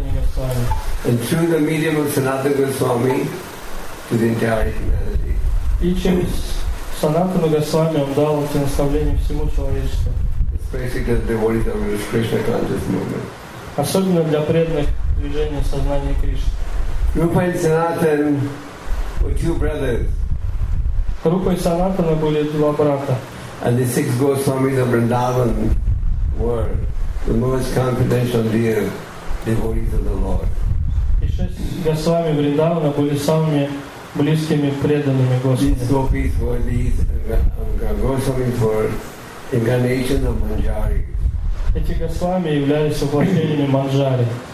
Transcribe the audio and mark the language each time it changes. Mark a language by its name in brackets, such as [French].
[English] And through the medium of Sanatana Goswami to the entire humanity. [Russian] И через Санатану Госвами он дал эти наставления всему человечеству. [English] Especially the devotees of the Krishna conscious movement. [Russian] Особенно для преданных движения сознания Кришны. [English] Rupa and Sanatana were two brothers. [Russian] Rupa и Санатана были два брата. [English] And the six Goswamis of Vrindavan were the most confidential dear devotees of the Lord. [Russian] И шесть Госвами Вриндавана были самыми близкими преданными Господа. [English] These Gopis were Goswamis were incarnation of Manjari. [Russian] Эти Госвами являлись воплощениями Манджари.